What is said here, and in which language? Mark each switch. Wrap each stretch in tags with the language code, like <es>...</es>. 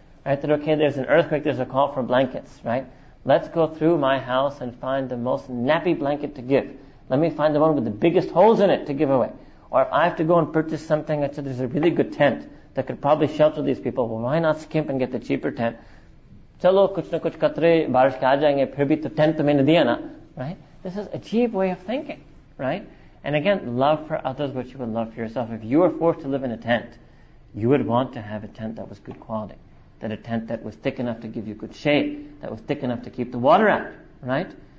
<en>Right? That, okay, there's an earthquake, there's a call for blankets. Right? Let's go through my house and find the most nappy blanket to give. Let me find the one with the biggest holes in it to give away. Or if I have to go and purchase something, I said there's a really good tent that could probably shelter these people. Well, why not skimp and get the cheaper tent?</en> <ur>چلو، کچھ نہ کچھ قطرے، بارش کا جائیں گے، پھر بھی تو ٹینٹ تو میں نے دیا نا۔</ur> <en>Right? This is a cheap way of thinking. Right? And again, love for others what you would love for yourself. If you were forced to live in a tent, you would want to have a tent that was good quality. That a tent that was thick enough to give you good shade. That was thick enough to keep the water out. Right?</en>